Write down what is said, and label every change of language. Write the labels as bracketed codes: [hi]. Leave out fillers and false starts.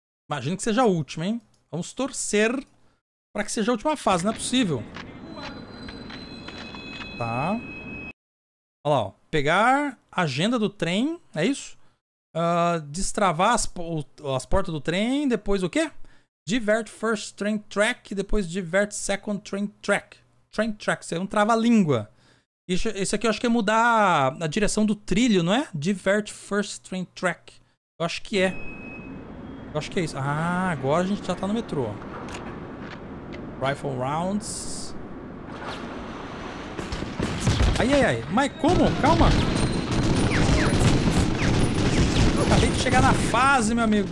[pt] Imagino que seja a última, hein? Vamos torcer pra que seja a última fase, não é possível. Tá. Olha lá, ó. Pegar a agenda do trem, é isso? Destravar as portas do trem, depois o quê? [en] Divert first train track, [pt] depois [en] divert second train track. [pt] Train track, isso é um trava-língua. Isso aqui eu acho que é mudar a direção do trilho, não é? [en] Divert first train track. [pt] Eu acho que é. Eu acho que é isso. Ah, agora a gente já tá no metrô. [en] Rifle rounds. [pt] Ai, ai, ai. Mas como? Calma. Acabei de chegar na fase, meu amigo.